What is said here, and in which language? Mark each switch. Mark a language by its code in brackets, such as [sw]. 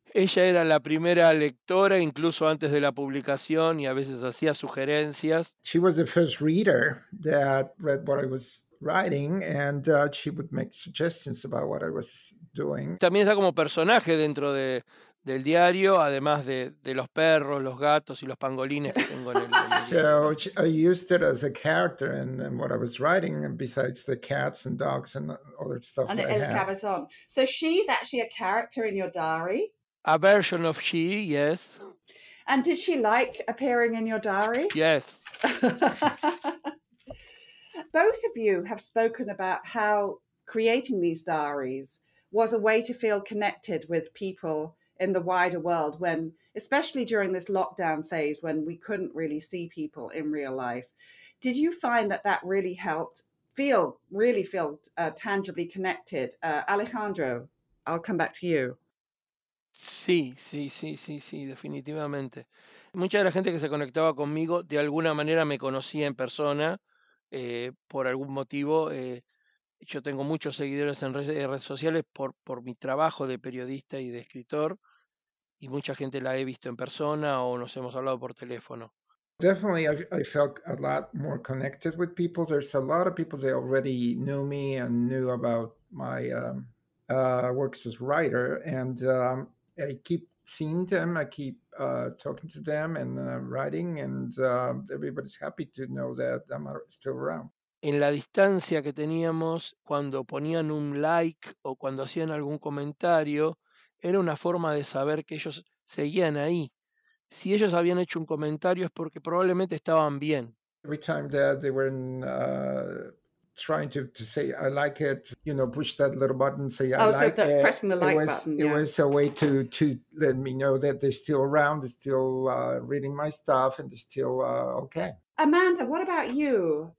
[es] Ella era la primera lectora, incluso antes de la publicación, y a veces hacía sugerencias. [en] She was the first reader that read what I was writing, and she would make suggestions about what I was doing. [es] También está como personaje dentro del diario, además de los perros, los gatos y los pangolines que tengo en el diario. [en] So I used it as a character in what I was writing, and besides the cats and dogs and other stuff and that I had. And El Cabezón. So she's actually a character in your diary? A version of she, yes. And did she like appearing in your diary? Yes. Both of you have spoken about how creating these diaries was a way to feel connected with people in the wider world, when, especially during this lockdown phase, when we couldn't really see people in real life. Did you find that that really helped feel tangibly connected? Alejandro, I'll come back to you. [es] Sí, definitivamente. Mucha de la gente que se conectaba conmigo de alguna manera me conocía en persona, por algún motivo. Yo tengo muchos seguidores en redes sociales por mi trabajo de periodista y de escritor, y mucha gente la he visto en persona o nos hemos hablado por teléfono. [en] Definitely, I felt a lot more connected with people. There's a lot of people that already knew me and knew about my works as a writer, and I keep seeing them, I keep talking to them and writing, and everybody's happy to know that I'm still around. [es] En la distancia que teníamos, cuando ponían un like o cuando hacían algún comentario, era una forma de saber que ellos seguían ahí. Si ellos habían hecho un comentario es porque probablemente estaban bien. [en] Every time that they were in, trying to say I like it, you know, push that little button, say I like it. Pressing the like button. It was a way to let me know that they're still around, they're still reading my stuff, and they're still okay. Amanda, what about you?